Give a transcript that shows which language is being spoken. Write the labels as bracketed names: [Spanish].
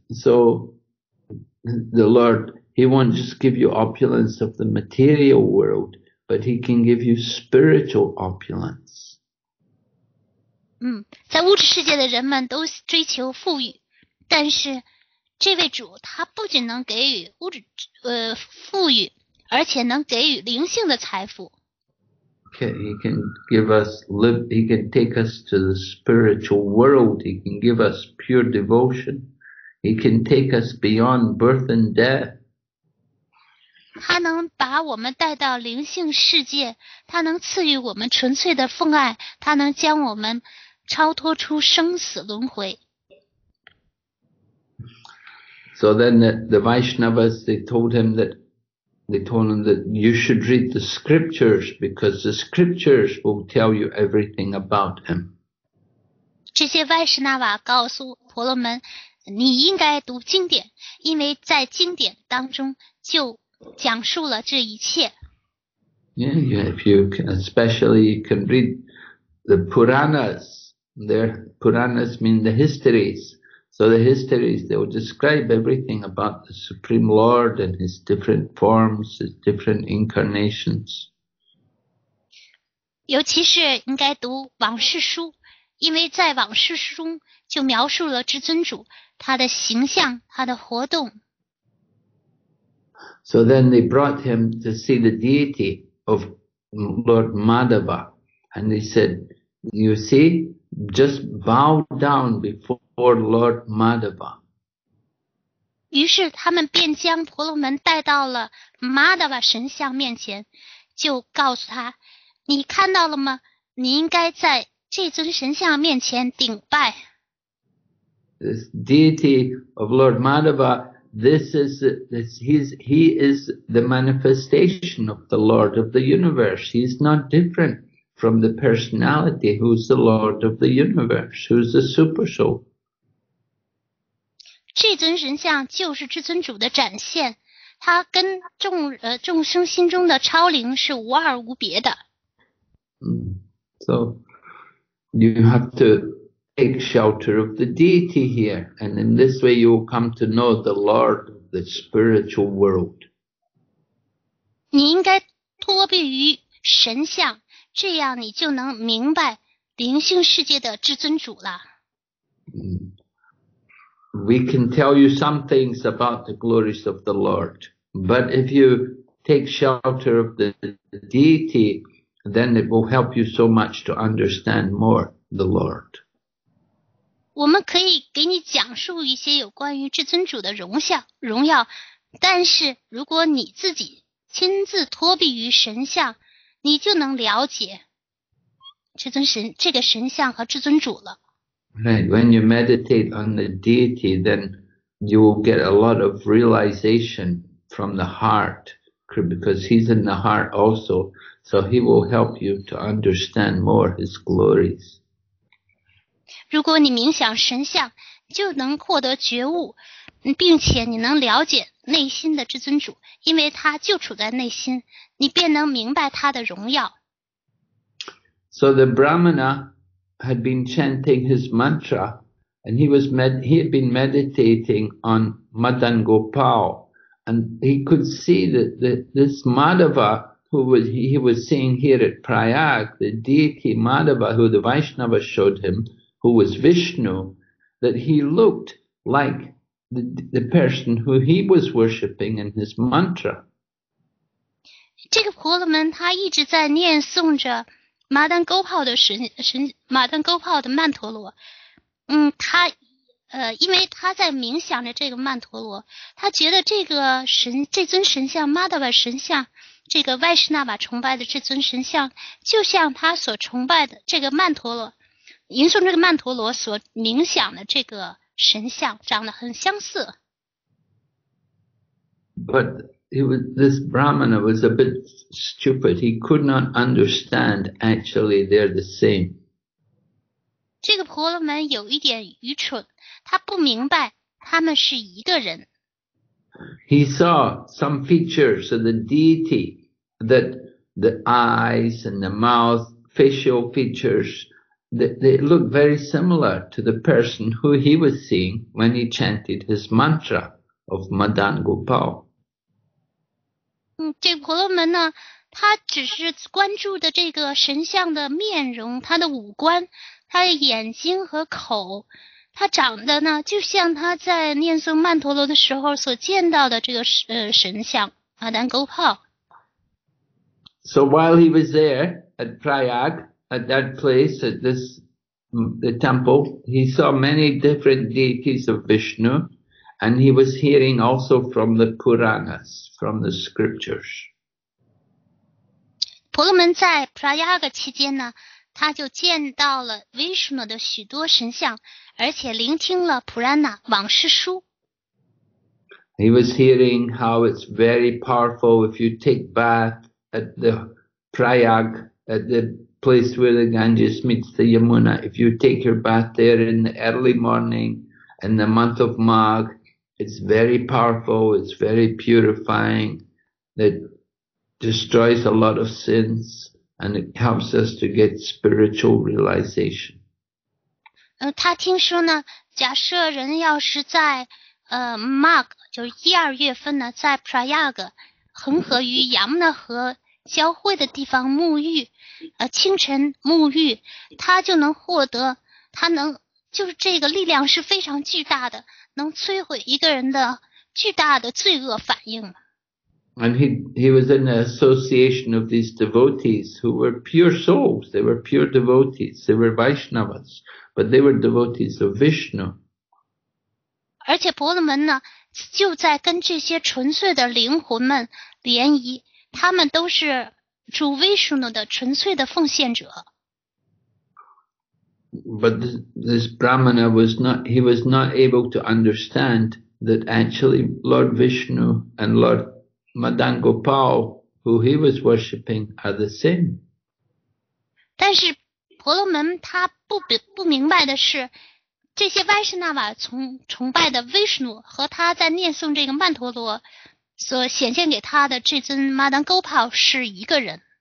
[English] So the Lord, he won't just give you opulence of the material world, but he can give you spiritual opulence. [Chinese] 在物质世界的人们都追求富裕，但是这位主他不仅能给予物质富裕，而且能给予灵性的财富。 [English] He can give us live. He can take us to the spiritual world. He can give us pure devotion. He can take us beyond birth and death. [Chinese] 他能把我们带到灵性世界，他能赐予我们纯粹的父爱，他能将我们超脱出生死轮回。 [English] So then the Vaishnavas, they told him that. They told him that you should read the scriptures because the scriptures will tell you everything about him. [Chinese] 这些 Vaishnava 告诉婆罗门，你应该读经典，因为在经典当中就讲述了这一切。 [English] Yeah, if you can, especially you can read the Puranas. Their Puranas mean the histories. So the histories, they will describe everything about the Supreme Lord and his different forms, his different incarnations. [Chinese] 尤其是应该读往事书，因为在往事书中就描述了至尊主他的形象，他的活动。 [English] So then they brought him to see the deity of Lord Madhava, and they said, "You see, just bow down before Lord Madhava." [Chinese] 于是他们便将婆罗门带到了 Madhava 神像面前，就告诉他，你看到了吗？你应该在这尊神像面前顶拜。 [English] This deity of Lord Madhava, he is the manifestation of the Lord of the universe. He's not different from the personality who's the Lord of the universe, who's the super soul. [Chinese] 这尊神像就是至尊主的展现，他跟众生心中的超灵是无二无别的。 [English] So you have to take shelter of the deity here, and in this way you will come to know the Lord of the spiritual world. [Chinese] 你应该托庇于神像，这样你就能明白灵性世界的至尊主了。 [English] We can tell you some things about the glories of the Lord, but if you take shelter of the deity, then it will help you so much to understand more the Lord. [Chinese] 我们可以给你讲述一些有关于至尊主的荣耀，但是如果你自己亲自托庇于神像，你就能了解这个神像和至尊主了。 [English] Right, when you meditate on the deity, then you will get a lot of realization from the heart, because he's in the heart also. So he will help you to understand more his glories. [Chinese] 如果你冥想神像，就能获得觉悟，并且你能了解内心的至尊主，因为他就处在内心，你便能明白他的荣耀。 [English] So the Brahmana had been chanting his mantra, and he had been meditating on Madan Gopal, and he could see that this Madhava, who he was seeing here at Prayag, the deity Madhava, who the Vaishnava showed him, who was Vishnu, that he looked like the person who he was worshipping in his mantra. [Chinese] 这个婆罗门他一直在念诵着马丹勾炮的神马丹勾炮的曼陀罗。因为他在冥想着这个曼陀罗，他觉得这尊神像 Madhava 神像，这个 Vaishnava 崇拜的这尊神像，就像他所崇拜的这个曼陀罗，吟诵这个曼陀罗所冥想的这个神像长得很相似。 [English] But this Brahmana was a bit stupid. He could not understand actually they're the same. [Chinese] 这个婆罗门有一点愚蠢，他不明白他们是一个人。 [English] He saw some features of the deity, that the eyes and the mouth, facial features, they looked very similar to the person who he was seeing when he chanted his mantra of Madan Gopal. [Chinese] 这婆罗门呢，他只是关注的这个神像的面容，他的五官，他的眼睛和口。他长得呢，就像他在念诵曼陀罗的时候所见到的这个神像马丹勾炮。 [English] So while he was there at Prayag, at that place, at this the temple, he saw many different deities of Vishnu, and he was hearing also from the Puranas, from the scriptures. [Chinese] 婆罗门在 Prayag 期间呢，他就见到了 Vishnu 的许多神像，而且聆听了普拉纳往事书。 [English] He was hearing how it's very powerful if you take bath at the Prayag, at the place where the Ganges meets the Yamuna. If you take your bath there in the early morning in the month of Magh, it's very powerful, it's very purifying, it destroys a lot of sins, and it helps us to get spiritual realization. [Chinese] 他听说呢，假设人要是在Mark 就是一二月份呢，在 Prayag 恒河与杨的河交汇的地方沐浴，清晨沐浴，他就能获得，他能就是这个力量是非常巨大的，能摧毁一个人的巨大的罪恶反应。 [English] And he was in an association of these devotees who were pure souls. They were pure devotees. They were Vaishnavas, but they were devotees of Vishnu. [Chinese] 而且婆罗门呢，就在跟这些纯粹的灵魂们联谊，他们都是主 Vishnu 的纯粹的奉献者。 [English] But this Brahmana was not, he was not able to understand that actually Lord Vishnu and Lord Madangopal, who he was worshipping, are the same. [Chinese] 但是婆罗门他不明白的是，这些 Vaishnava 崇拜的 Vishnu 和他在念诵这个曼陀罗所显现给他的这尊 Madangopal 是一个人。